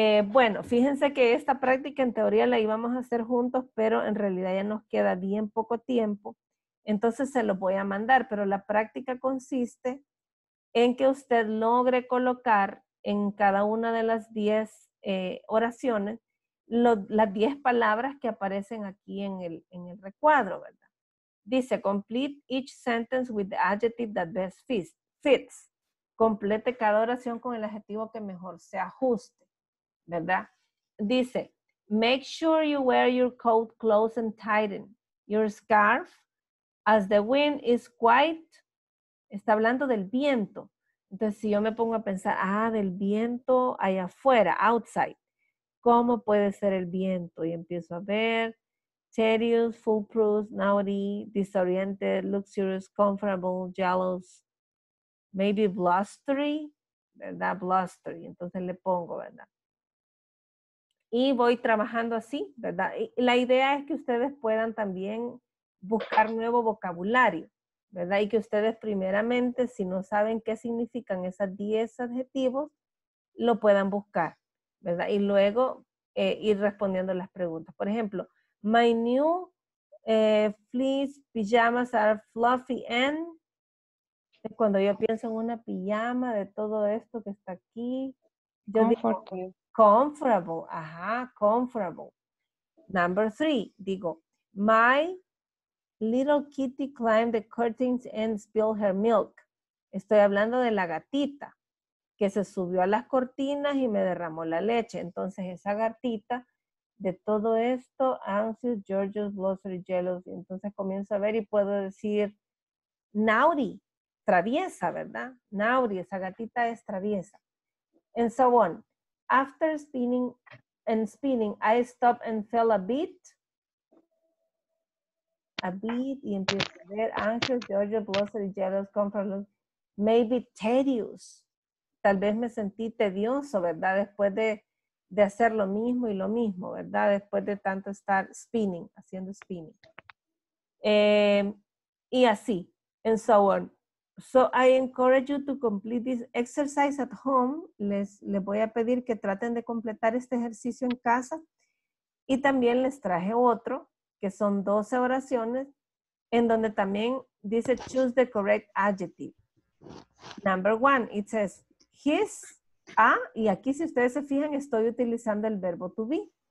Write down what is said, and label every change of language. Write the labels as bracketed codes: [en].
[es] Bueno, fíjense que esta práctica en teoría la íbamos a hacer juntos, pero en realidad ya nos queda bien poco tiempo, entonces se lo voy a mandar, pero la práctica consiste en que usted logre colocar en cada una de las 10 oraciones las 10 palabras que aparecen aquí en el recuadro, ¿verdad? [en] Dice, complete each sentence with the adjective that best fits. [es] Complete cada oración con el adjetivo que mejor se ajuste. ¿Verdad? [en] Dice, make sure you wear your coat close and tighten your scarf as the wind is quite, [es] está hablando del viento. Entonces, si yo me pongo a pensar, del viento allá afuera, outside, ¿cómo puede ser el viento? Y empiezo a ver, [en] tedious, foolproof, naughty, disoriented, luxurious, comfortable, jealous, maybe blustery, ¿verdad? Blustery. [es] Entonces le pongo, ¿verdad? Y voy trabajando así, ¿verdad? Y la idea es que ustedes puedan también buscar nuevo vocabulario, ¿verdad? Y que ustedes primeramente, si no saben qué significan esos 10 adjetivos, lo puedan buscar, ¿verdad? Y luego ir respondiendo las preguntas. Por ejemplo, [en] my new fleece pajamas are fluffy and... [es] Es cuando yo pienso en una pijama de todo esto que está aquí, yo digo... [en] Comfortable. Number three, digo, my little kitty climbed the curtains and spilled her milk. [es] Estoy hablando de la gatita que se subió a las cortinas y me derramó la leche. Entonces esa gatita de todo esto, [en] anxious, George's, blusher, jealous. [es] Entonces comienzo a ver y puedo decir, naughty, traviesa, ¿verdad? Naughty, esa gatita es traviesa. [en] And so on. After spinning and spinning, I stopped and felt a bit. A bit, [es] y empiezo a ver, [en] anxious, George's, blusher, jealous, comfortless, maybe tedious. [es] Tal vez me sentí tedioso, ¿verdad? Después de hacer lo mismo y lo mismo, ¿verdad? Después de tanto estar spinning, haciendo spinning. Y así, [en] and so on. So I encourage you to complete this exercise at home. [es] Les voy a pedir que traten de completar este ejercicio en casa. Y también les traje otro, que son 12 oraciones, en donde también dice [en] choose the correct adjective. Number one, it says, his, a, [es] y aquí si ustedes se fijan, estoy utilizando el verbo to be.